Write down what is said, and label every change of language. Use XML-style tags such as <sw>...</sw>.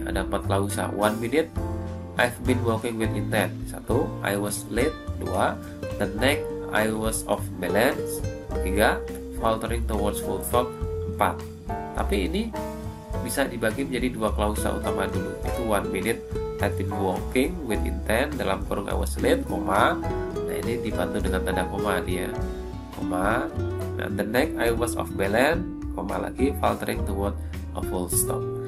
<id>Ada 4 klausa.</id> <en>1 minute I've been walking with intent. 1, I was late. 2, the next I was off balance. 3, faltering towards full stop. 4.</en> <id>Tapi ini bisa dibagi menjadi 2 klausa utama dulu.</id> <en>Itu 1 minute I've been walking with intent</en> <id>dalam kurung</id> <en>I was late,</en> <id>koma. Nah ini dibantu dengan tanda koma dia, koma.</id> <en>Nah the next I was off balance,</en> <id>koma lagi,</id> <en>faltering towards a full stop.</en>